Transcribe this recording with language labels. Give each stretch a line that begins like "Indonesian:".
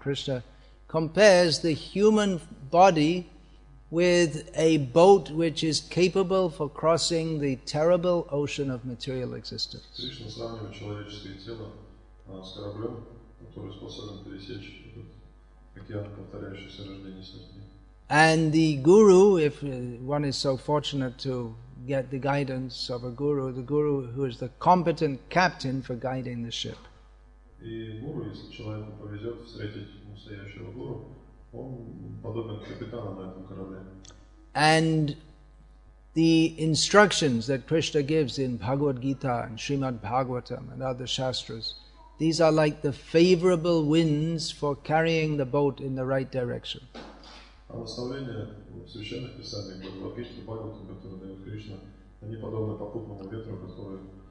English: Krishna compares the human body with a boat which is capable for crossing the terrible ocean of material existence.
Russian: Krishna сравнивает человеческое тело с кораблем, который способен пересечь океан повторяющихся рождений смерти.
English: And the guru, if one is so fortunate to get the guidance of a guru, the guru who is the competent captain for guiding the ship.
Russian: И гуру, если человеку повезет встретить настоящего гуру, он подобен капитану на этом корабле.
English: And the instructions that Krishna gives in Bhagavad Gita and Srimad Bhagavatam and other shastras, these are like the favorable winds for carrying the boat in the right direction.
Russian: А наставления в священных писаниях, в Бхагавад Гите, Бхагаватам, которые дает Кришна, они подобны попутному ветру, который